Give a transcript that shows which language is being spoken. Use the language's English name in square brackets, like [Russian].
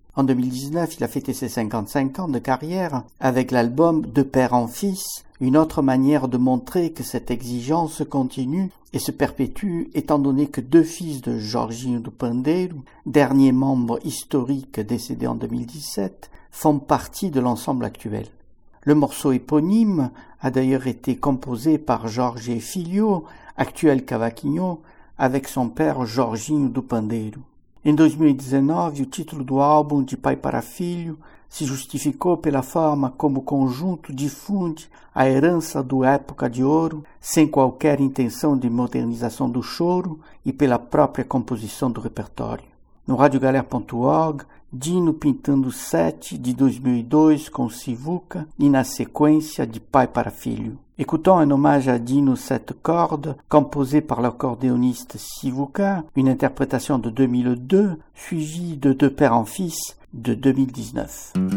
[French] En 2019, il a fêté ses 55 ans de carrière avec l'album « De père en fils », une autre manière de montrer que cette exigence continue et se perpétue étant donné que deux fils de Jorginho do Pandeiro, dernier membre historique décédé en 2017, font partie de l'ensemble actuel. Le morceau éponyme a d'ailleurs été composé par Jorge Filho, actuel Cavaquinho, avec son père Jorginho do Pandeiro. [Portuguese] Em 2019, o título do álbum de pai para filho se justificou pela forma como o conjunto difunde a herança do Época de Ouro, sem qualquer intenção de modernização do choro e pela própria composição do repertório. No radiogaler.org, Dino pintando 7 de 2002 com Sivuca e na sequência de Pai para Filho. [French] Écoutons un hommage à Dino 7 cordes, composé par l'accordéoniste Sivuca, une interprétation de 2002, suivie de Deux pères en fils de 2019.